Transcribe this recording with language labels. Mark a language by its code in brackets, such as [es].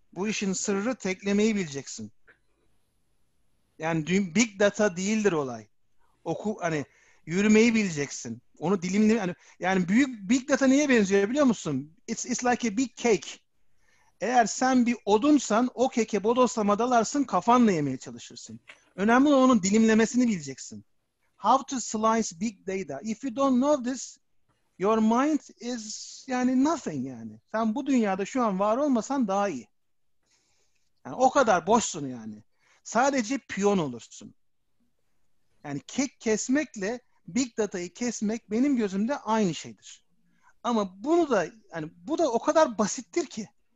[tr] Bu işin sırrı taglemeyi bileceksin. Yani big data değildir olay. Oku hani yürümeyi bileceksin. Onu dilimle yani büyük big data neye benziyor biliyor musun? [en] It's like a big cake. [tr] Eğer sen bir odunsan o keke bodoslama dalarsın kafanla yemeye çalışırsın. Önemli olan onun dilimlemesini bileceksin. [en] How to slice big data. If you don't know this, your mind is yani nothing yani. [tr] Sen bu dünyada şu an var olmasan daha iyi. Yani o kadar boşsun yani. Sadece piyon olursun. Yani kek kesmekle big data'yı kesmek benim gözümde aynı şeydir. Ama bunu da yani bu da o kadar basittir ki.